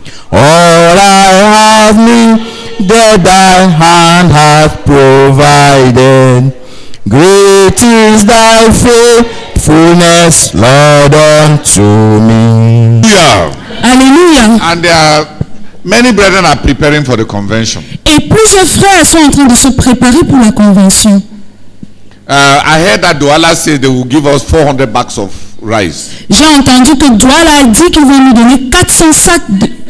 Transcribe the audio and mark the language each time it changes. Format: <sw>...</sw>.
<en>All I have need that thy hand hath provided. Great is thy faithfulness, Lord, unto me. Alleluia. And there are many brethren are preparing for the convention.</en> <fr>Et plusieurs frères sont en train de se préparer pour la convention.</fr> <en>I heard that Douala said they will give us 400 bags of rice.</en> <fr>J'ai entendu que Douala a dit qu'il va nous donner 400 sacs de...</fr>